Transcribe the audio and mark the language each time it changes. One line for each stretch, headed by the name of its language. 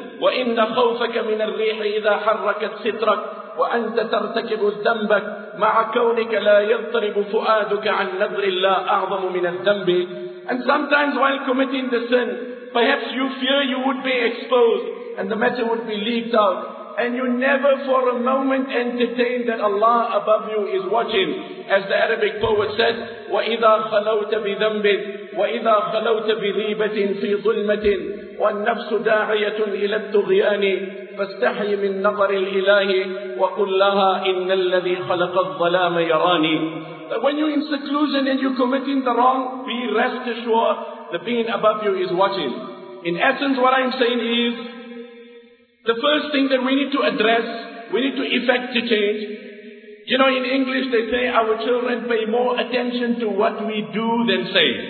Arabic: وَإِنَّ خَوْفَكَ مِنَ الرِّيحِ إِذَا حَرَّكَتْ سِتْرَكَ وَأَنْتَ تَرْتَكِبُ الذَّنْبَكَ مَعَ كَوْنِكَ لَا يَضْطَرِبُ فُؤَادُكَ عَنْ نَذْرِ اللَّهِ أَعْظَمُ مِنَ الذَّنْبِ.
English: And sometimes while committing the sin, perhaps you fear you would be exposed and the matter would be leaked out, and you never for a moment entertain that Allah above you is watching. As the Arabic poet said,
Arabic: وَإِذَا خَلَوْتَ بِذَنْبٍ وَإِذَا خَلَوْتَ بِذِيبَةٍ فِي ظُلْمَةٍ وَالنَّفْسُ دَاعِيَةٌ إِلَى الطُّغْيَانِ فَاسْتَحْيِ مِنْ نَظَرِ الْإِلَهِ وَقُلْ لَهَا إِنَّ الَّذِي خَلَقَ الظَّلَامَ يَرَانِي.
English: When you're in seclusion and you're committing the wrong, be rest assured that being above you is watching. In essence, what I'm saying is, the first thing that we need to address, we need to effect the change. You know, in English they say our children pay more attention to what we do than say.